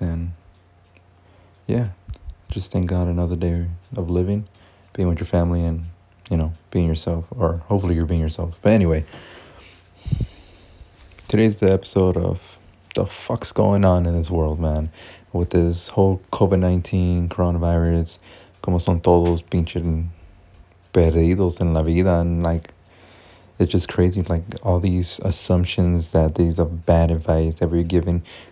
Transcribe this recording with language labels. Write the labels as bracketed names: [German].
[English] And yeah, just thank God another day of living, being with your family and, you know, being yourself, or hopefully you're being yourself. But anyway, today's the episode of the fuck's going on in this world, man, with this whole COVID-19 coronavirus. [Spanish] Como son todos pinches perdidos en la vida. [English] And like, it's just crazy, like all these assumptions that these are bad advice that we're giving.